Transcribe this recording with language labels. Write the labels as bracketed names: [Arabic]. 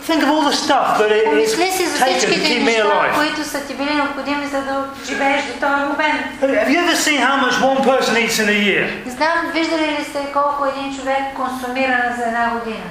[English] Think of all the stuff that it [Bulgarian] is които са ти били необходими за да живееш до този момент. [English] Have you ever seen how much one person eats in a year? [Bulgarian] Знам, виждали ли сте колко един човек консумира за една година?